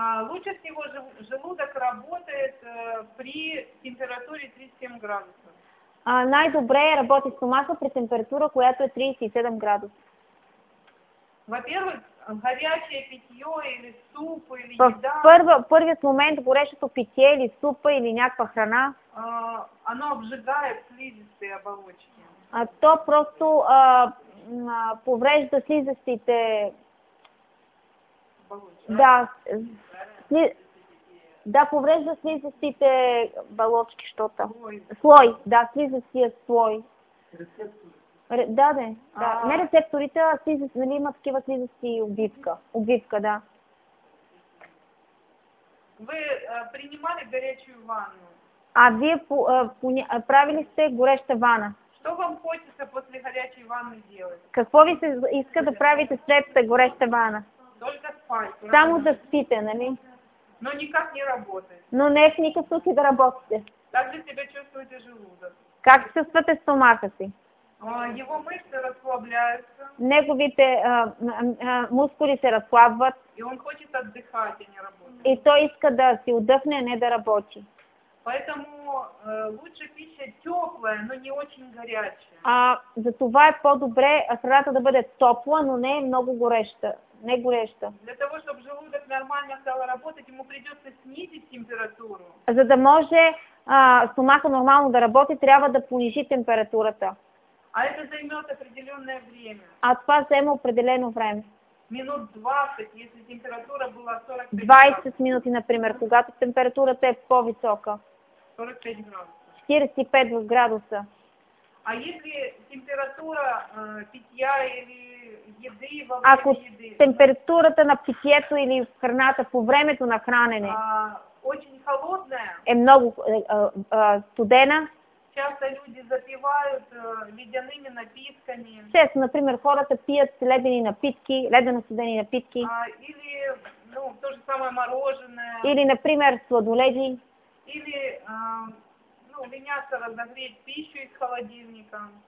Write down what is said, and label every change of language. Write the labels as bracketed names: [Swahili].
[Russian] Лучше всего желудок работает при температуре 37 градусов. [Bulgarian] Най-добре работи стомаха при температура, която е 37 градуса. [Russian] Во-первых, горячее питье или суп, или еда. [Bulgarian] Първият момент горещото питие или супа или някаква храна. [Russian] Оно обжигает слизистые оболочки. [Bulgarian] То просто поврежда слизистите [Russian] оболочки. [Bulgarian] Да, поврежда слизистите [Russian] оболочки что-то. [Bulgarian] Слой, да, слизистия слой. Не рецепторите, а слизисти, нали има такива слизисти и обвивка. Обвивка, да. [Russian] Вы принимали горячую ванну? [Bulgarian] А вие правили сте гореща вана? [Russian] Что вам хочется после горячей ванны делать? [Bulgarian] Какво ви се иска да правите след гореща вана? [Russian] Только спать. [Bulgarian] Само да спите, нали? [Russian] Но никак не работает. [Bulgarian] Но не в никакъв случай да работите. [Russian] Как же себя чувствуете желудок? [Bulgarian] Как чувствате стомаха си? [Russian] Его мышцы расслабляются. [Bulgarian] Неговите мускули се разслабват. [Russian] И он хочет отдыхать, а не работать. [Bulgarian] И той иска да си отдъхне, а не да работи. [Russian] Поэтому лучше пища теплая, но не очень горячая. [Bulgarian] Затова е по-добре храната да бъде топла, но не много гореща. Не гореща. [Russian] Для того, чтобы желудок нормально стал работать, ему придется снизить температуру. [Bulgarian] За да може стомаха нормално да работи, трябва да понижи температурата. [Russian] А это займет определенное время. [Bulgarian] А това займе определено време. [Russian] Минут 20, если температура была 45 градусов. [Bulgarian] 20 минути, например, когато температурата е по-висока. [Russian] 45 градусов. [Bulgarian] 45 градуса. [Russian] А если температура питья или еды во время [Bulgarian] Ако [Russian] еды? [Bulgarian] Ако температурата на питието или в храната по времето на хранене [Russian] очень холодная, [Bulgarian] е много студена, [Russian] часто люди запивают ледяными напитками. [Bulgarian] Често, например, хората пият ледени напитки, ледено-студени напитки. [Russian] Или, то же самое мороженое. [Bulgarian] Или, например, сладоледи. [Russian] Или, линяться разогреть пищу из холодильника.